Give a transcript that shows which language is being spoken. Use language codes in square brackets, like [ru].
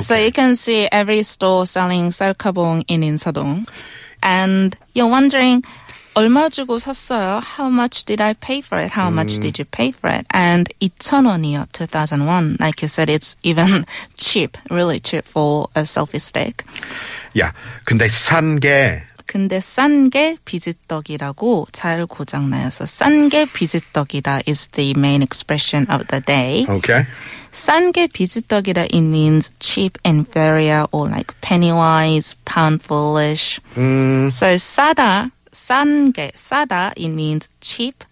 [en] So you can see every store selling 셀카봉 in 인사동. And you're wondering, 얼마 주고 샀어요? How much did I pay for it? How much did you pay for it? And 2,000원이요, 2,001. Like you said, it's even cheap, really cheap for a selfie stick. [ko] Yeah, 근데 산 게. 근데 싼 게 비지떡이라고 잘 고장나요. [en] So 싼 게 비지떡이다 is the main expression of the day. Okay. 싼 게 비지떡이다, it means cheap, inferior, or like penny-wise, pound-foolish. So 싸다. 싼 게, 싸다, it means cheap